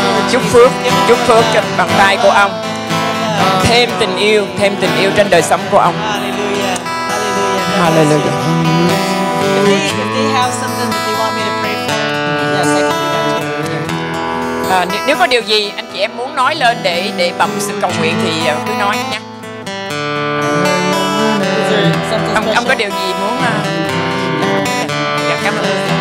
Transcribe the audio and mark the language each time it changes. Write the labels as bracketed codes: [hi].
[vi] Chúc phước trên bàn tay của ông. Thêm tình yêu trên đời sống của ông. Hallelujah. Hallelujah. Hallelujah. [en] they have something that they want me to pray for, yes, I can do that too. [vi] Nếu có điều gì anh chị em muốn nói lên để bằng sự cầu nguyện thì cứ nói nha. Ông có điều gì muốn cảm ơn.